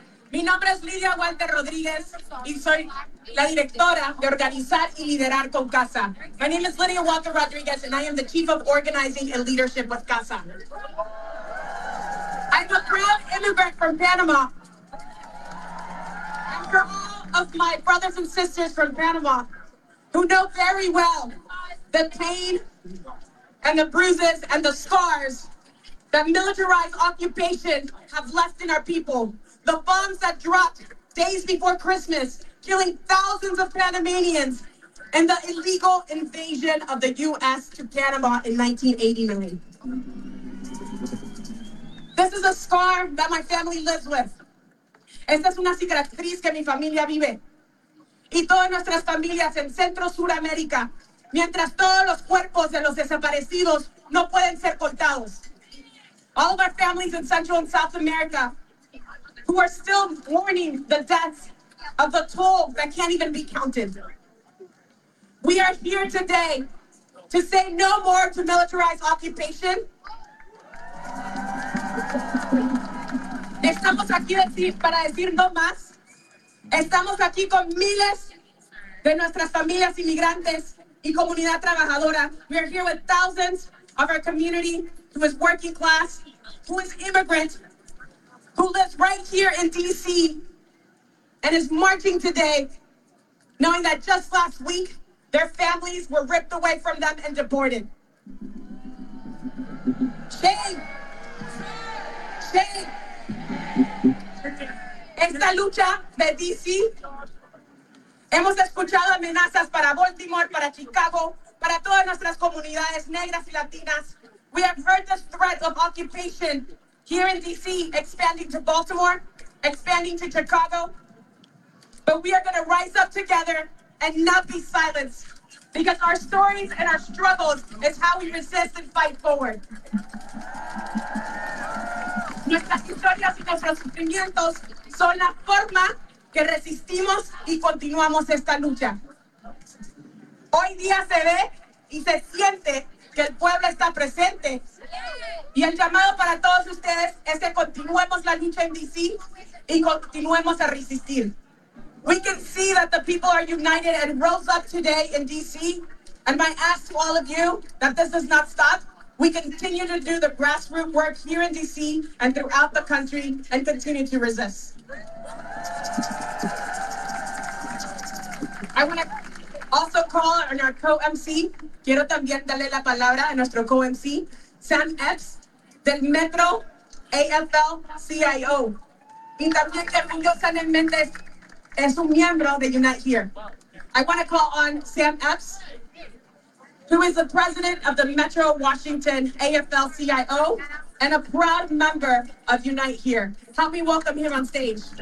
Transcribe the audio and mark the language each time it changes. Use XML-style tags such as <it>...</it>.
<es>Mi nombre es Lidia Walter Rodriguez y soy la directora de Organizar y Liderar con CASA.</es> <en>My name is Lydia Walter Rodriguez and I am the Chief of Organizing and Leadership with CASA. I'm a proud immigrant from Panama. And for all of my brothers and sisters from Panama who know very well the pain and the bruises and the scars that militarized occupation have left in our people. The bombs that dropped days before Christmas, killing thousands of Panamanians, and the illegal invasion of the U.S. to Panama in 1989. This is a scar that my family lives with.</en> <es>Esta es una cicatriz que mi familia vive. Y todas nuestras familias en Centro Suramérica, mientras todos los cuerpos de los desaparecidos no pueden ser contados.</es> <en>All of our families in Central and South America who are still mourning the deaths of the toll that can't even be counted. We are here today to say no more to militarized occupation.</en> <es>Estamos aquí para decir no más. Estamos aquí con miles de nuestras familias inmigrantes y comunidad trabajadora.</es> <en>We are here with thousands of our community who is working class, who is immigrant, who lives right here in D.C. and is marching today, knowing that just last week, their families were ripped away from them and deported. Shame! Shame!</en> <es>Esta lucha de D.C. Hemos escuchado amenazas para Baltimore, para Chicago, para todas nuestras comunidades negras y latinas.</es> <en>We have heard the threat of occupation here in D.C., expanding to Baltimore, expanding to Chicago. But we are going to rise up together and not be silenced, because our stories and our struggles is how we resist and fight forward.</en> <es>Nuestras historias y nuestros sufrimientos son la forma que resistimos y continuamos esta lucha. Hoy día se ve y se siente que el pueblo está presente. Y el llamado para todos ustedes es que continuemos la lucha en D.C. y continuemos a resistir.</es> <en>We can see that the people are united and rose up today in D.C. And my ask to all of you that this does not stop. We continue to do the grassroots work here in D.C. and throughout the country and continue to resist. I want to also call on our co-MC.</en> <es>Quiero también darle la palabra a nuestro co-MC, Sam Epps, del Metro AFL-CIO. Y también que Emilio Sánchez Méndez es un miembro de Unite Here.</es> <en>I want to call on Sam Epps, who is the president of the Metro Washington AFL-CIO and a proud member of Unite Here. Help me welcome him on stage.</en>